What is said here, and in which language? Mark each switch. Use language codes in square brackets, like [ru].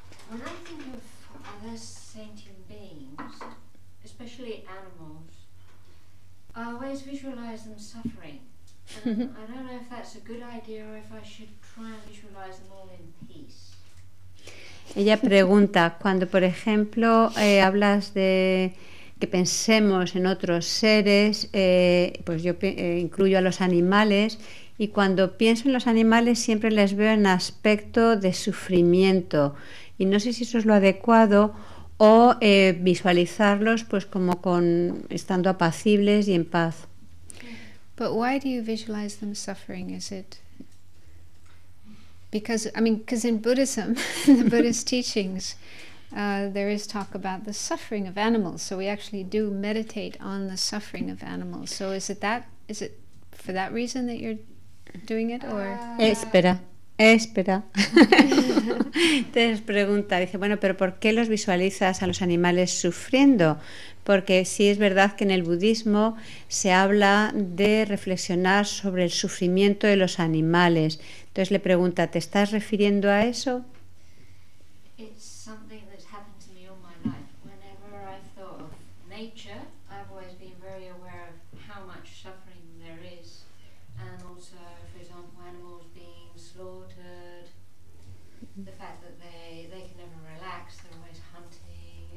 [en] When I think of other sentient beings, especially animals, I always visualize them suffering. And I don't know if that's a good idea or if I should try and visualize them all in peace. [es] Ella pregunta, cuando por ejemplo hablas de que pensemos en otros seres, pues yo incluyo a los animales, y cuando pienso en los animales siempre les veo en aspecto de sufrimiento, y no sé si eso es lo adecuado o visualizarlos pues como con estando apacibles y en paz. [en] But why do you visualize them suffering? Is it because, I mean, because in Buddhism, the Buddhist teachings, there is talk about the suffering of animals. So we actually do meditate on the suffering of animals. So is it that? Is it for that reason that you're doing it? Or [es] espera. Entonces pregunta, dice, bueno, pero ¿por qué los visualizas a los animales sufriendo? Porque sí es verdad que en el budismo se habla de reflexionar sobre el sufrimiento de los animales. Entonces le pregunta, ¿te estás refiriendo a eso? [en] It's something that's happened to me all my life. Whenever I thought of nature, I've always been very aware of how much suffering there is. And also, for example, animals being slaughtered, the fact that they can never relax, they're always hunting.